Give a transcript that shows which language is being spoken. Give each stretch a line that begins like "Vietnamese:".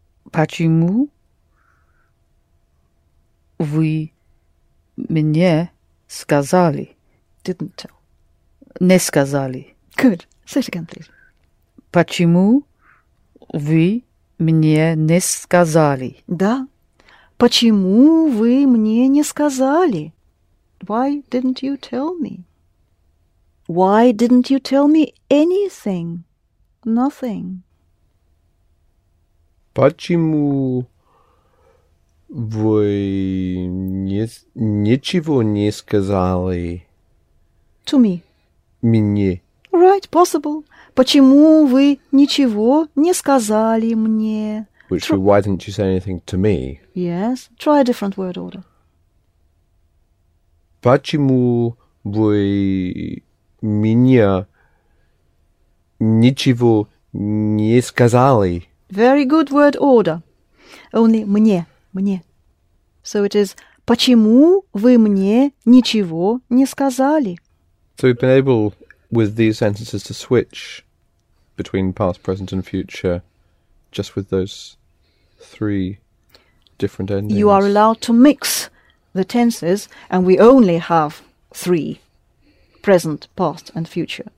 Russian: Почему вы мне сказали?
English: Didn't tell.
Russian: Не сказали.
English: Good. Say it again, please.
Russian: Почему вы мне не сказали? Да. Почему вы мне не сказали?
English: Why didn't you tell me? Why didn't you tell me anything? Nothing.
Russian: Почему вы ничего не сказали?
English: To me.
Russian: Мне.
English: Right, possible.
Russian: Почему вы ничего не сказали мне?
English: Which would be, why didn't you say anything to me? Yes. Try a different word order.
Russian: Почему вы меня ничего не сказали?
English: Very good word order. Only мне. Мне. So it is,
Russian: почему вы мне ничего не сказали?
English: So we've been able, with these sentences, to switch between past, present and future just with those three different endings. You are allowed to mix the tenses, and we only have three, present, past and future.